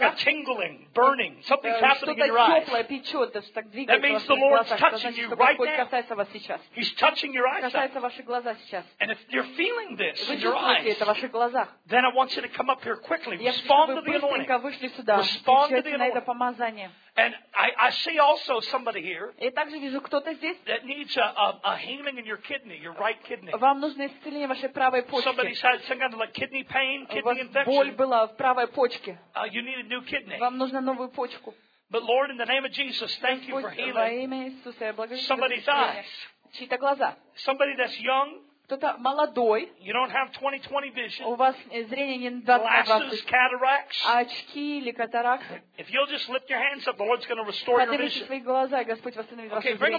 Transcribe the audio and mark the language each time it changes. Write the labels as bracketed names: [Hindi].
[English] like a tingling, burning, something's happening in your eyes, [Russian] что-то теплое печет, что так двигает в ваших глазах, что значит, что Господь касается вас сейчас. [English] He's touching your eyes. [Russian] Касается ваши глаза сейчас. [English] And if you're feeling this, [Russian] вы чувствуете это в ваших глазах, [English] then I want you to come up here quickly. Respond to the anointing. [Russian] Я хочу, чтобы вы быстренько вышли сюда. [English] Respond to the anointing. [Russian] Помазание. [English] And I see also somebody here. [Russian] И также вижу кто-то здесь. [English] That needs a healing in your kidney, your right kidney. [Russian] Вам нужно исцеление вашей правой почки. [English] Somebody's had some kind of like kidney pain, kidney infection. [Russian] Боль была в правой почке. [English] You need a new kidney. [Russian] Вам нужно новую почку. [English] But Lord, in the name of Jesus, thank you for healing. [Russian] Во имя Иисуса, я благодарю. [English] Somebody's eyes. [Russian] Чьи-то глаза. [English] Somebody that's young. [Russian] Кто-то молодой. [English] You don't have 20/20 vision. [Russian] У вас зрение не 20/20. [English] Glasses, cataracts. [Russian] Очки или катаракты. [English] If you'll just lift your hands up, the Lord's going to restore your vision. [Russian] Поднимите свои глаза, и Господь восстановит ваше зрение.